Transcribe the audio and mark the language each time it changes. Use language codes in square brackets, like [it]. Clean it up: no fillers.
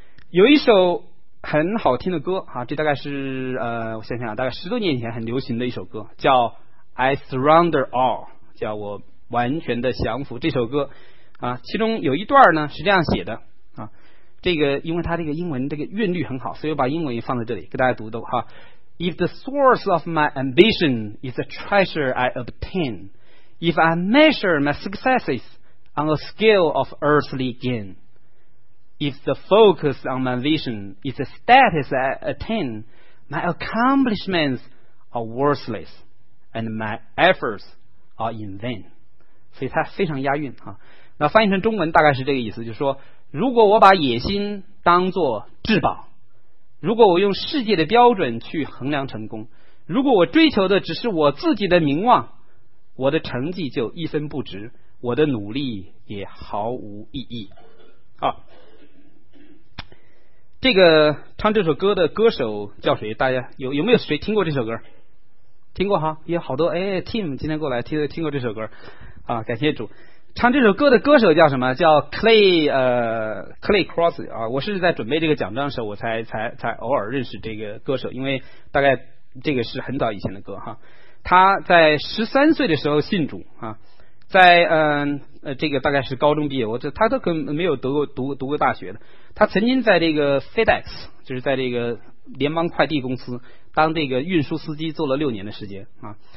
[zh] 有一首很好听的歌啊，这大概是我想想，大概十多年前很流行的一首歌，叫 I Surrender All， 叫我完全的降服。这首歌啊，其中有一段呢是这样写的啊，这个因为它这个英文这个韵律很好，所以我把英文放在这里给大家读读哈。 [en] If the source of my ambition is a treasure I obtain, if I measure my successes on a scale of earthly gain, if the focus on my vision is the status I attain, my accomplishments are worthless and my efforts are in vain。 [zh] 所以它非常押韵啊。那翻译成中文大概是这个意思，就是说如果我把野心当作至宝，如果我用世界的标准去衡量成功，如果我追求的只是我自己的名望，我的成绩就一分不值，我的努力也毫无意义啊。这个唱这首歌的歌手叫谁，大家有没有谁听过这首歌？听过哈，有好多哎 Tim 今天过来听过这首歌啊，感谢主。唱这首歌的歌手叫什么？叫 Clay Cross 啊！我是在准备这个讲章的时候，我才偶尔认识这个歌手，因为大概这个是很早以前的歌哈。他在13岁的时候信主啊，在这个大概是高中毕业，他都可能没有读过大学的。他曾经在这个 FedEx， 就是在这个联邦快递公司当这个运输司机做了6年的时间啊。